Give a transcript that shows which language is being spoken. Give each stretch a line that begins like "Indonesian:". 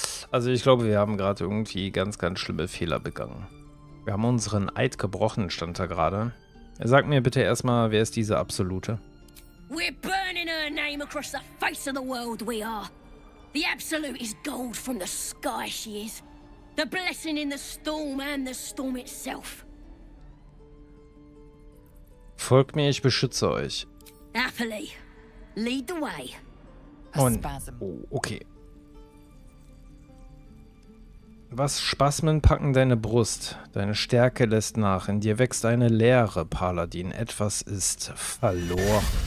German: Also ich glaube, wir haben gerade irgendwie ganz, ganz schlimme Fehler begangen. Wir haben unseren Eid gebrochen, stand da gerade. Sag mir bitte erstmal, wer ist diese Absolute?
English: We're burning her name across the face of the world, we are. The Absolute is gold from the sky, she is. The blessing in the storm and the storm itself.
German: Folgt mir, ich beschütze euch.
English: Happily, lead the way.
German: Und, oh, okay. Was Spasmen packen deine Brust? Deine Stärke lässt nach. In dir wächst eine Leere, Paladin. Etwas ist verloren.